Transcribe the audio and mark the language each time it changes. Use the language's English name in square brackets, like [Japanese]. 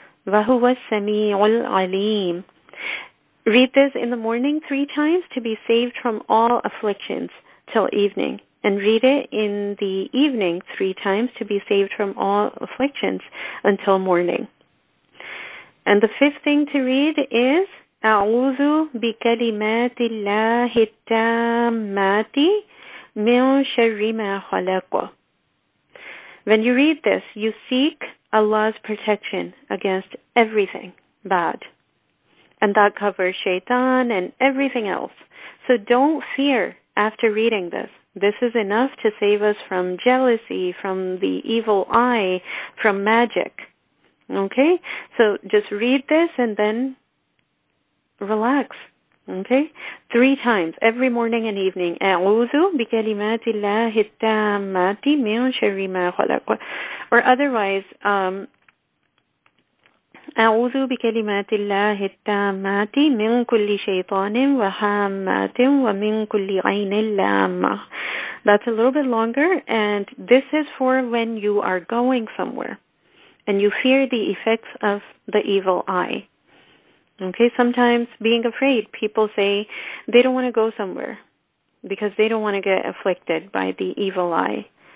[Arabic] وَهُوَ السَّمِيعُ الْعَلِيمُ. [English] Read this in the morning three times to be saved from all afflictions till evening. And read it in the evening three times to be saved from all afflictions until morning. And the fifth thing to read is [Arabic] أَعُوذُ بِكَلِمَاتِ اللَّهِ التَّامَّاتِ مِنْ شَرِّ مَا خَلَقَ. [English] When you read this, you seek Allah's protection against everything bad. And that covers shaitan and everything else. So don't fear after reading this. This is enough to save us from jealousy, from the evil eye, from magic. Okay? So just read this and then relax. Okay? Three times, every morning and evening. [Arabic] أعوذ بكلمات الله التامات من شر ما خلق. [English] Or otherwise, [Arabic] أعوذ بكلمات الله التامات من كل شيطان وهامات ومن كل عين لامة. [English] That's a little bit longer, and this is for when you are going somewhere and you fear the effects of the evil eye. Okay, sometimes being afraid, people say they don't want to go somewhere because they don't want to get afflicted by the evil eye.